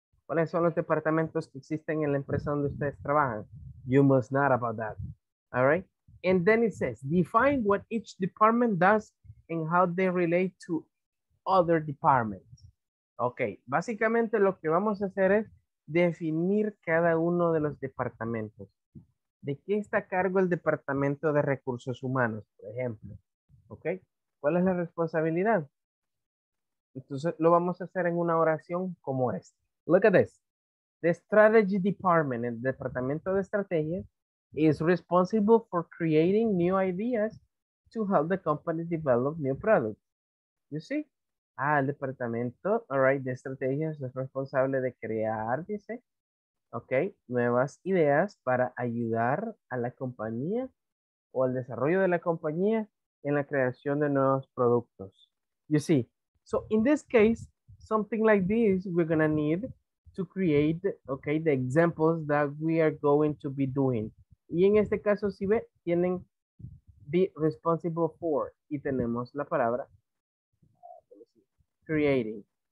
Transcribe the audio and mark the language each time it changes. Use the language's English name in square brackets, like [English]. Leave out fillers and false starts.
[Spanish] ¿Cuáles son los departamentos que existen en la empresa donde ustedes trabajan? [English] You must know about that, all right? And then it says, define what each department does and how they relate to other departments. [Spanish] Okay, básicamente lo que vamos a hacer es definir cada uno de los departamentos. ¿De qué está a cargo el departamento de recursos humanos, por ejemplo? Okay, ¿cuál es la responsabilidad? Entonces lo vamos a hacer en una oración como esta. [English] Look at this. The strategy department, [Spanish] el departamento de estrategia, [English] is responsible for creating new ideas to help the company develop new products. You see? [Spanish] Ah, el departamento, [English] all right, [Spanish] de estrategias es responsable de crear, dice, okay, nuevas ideas para ayudar a la compañía o al desarrollo de la compañía en la creación de nuevos productos. [English] You see? So in this case, something like this, we're gonna need to create, okay, the examples that we are going to be doing. [Spanish] Y en este caso, si ve, tienen [English] be responsible for, [Spanish] y tenemos la palabra creating.